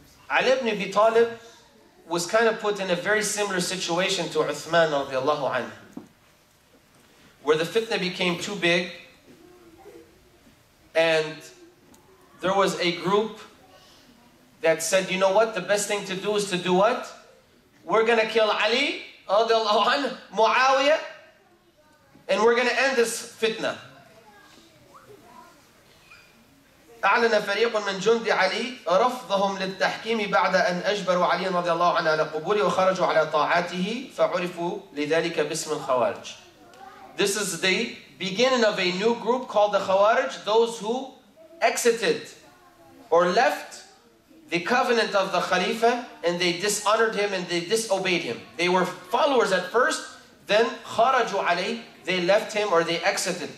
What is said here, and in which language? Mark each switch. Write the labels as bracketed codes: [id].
[en] Ali ibn Abi Talib was kind of put in a very similar situation to Uthman radiallahu anhu, where the fitna became too big, and there was a group that said, you know what, the best thing to do is to do what? We're going to kill Ali radiallahu anhu, Muawiyah, and we're going to end this fitna. [ar] أعلن فريق من جند علي رفضهم للتحكيم بعد أن أجبروا علي رضي الله عنه على قبوله وخرجوا على طاعته فعرفوا لذلك باسم الخوارج. [en] This is the beginning of a new group called the Khawarij, those who exited or left the covenant of the Khalifa and they dishonored him and they disobeyed him. They were followers at first, then [ar] خرجوا عليه, [en] they left him or they exited.